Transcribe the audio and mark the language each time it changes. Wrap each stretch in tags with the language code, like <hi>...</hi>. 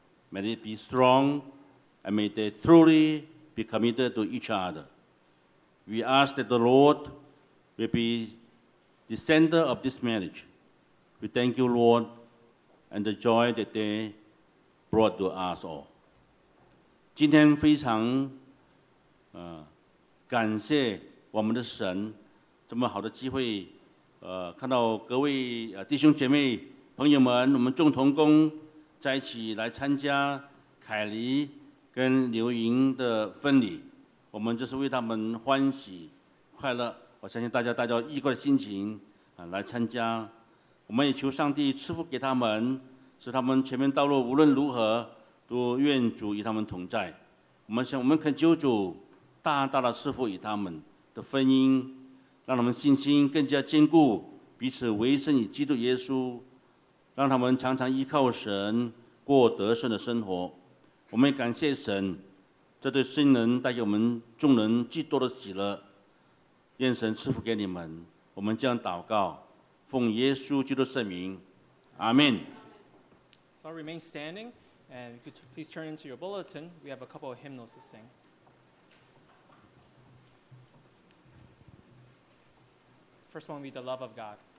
<en>May it be strong, and may they truly be committed to each other. We ask that the Lord will be the center of this marriage. We thank you, Lord, and the joy that they brought to us all.</en> <zh>今天非常感谢我们的神，这么好的机会，看到各位弟兄姐妹朋友们，我们众同工在一起来参加凯黎跟刘莹的婚礼，我们就是为他们欢喜快乐。我相信大家带着愉快的心情来参加，我们也求上帝赐福给他们，使他们前面道路无论如何都愿主与他们同在。我们恳求主大大的赐福与他们的婚姻，让他们信心更加坚固，彼此委身于基督耶稣，让他们常常依靠神过得胜的生活。我们也感谢神这对新人带给我们众人极多的喜乐，愿神赐福给你们。我们这样祷告，奉耶稣基督圣名，阿们。</zh> <en>So remain standing, and you could please turn into your bulletin. We have a couple of hymnals to sing. First one will be The Love of God.</en>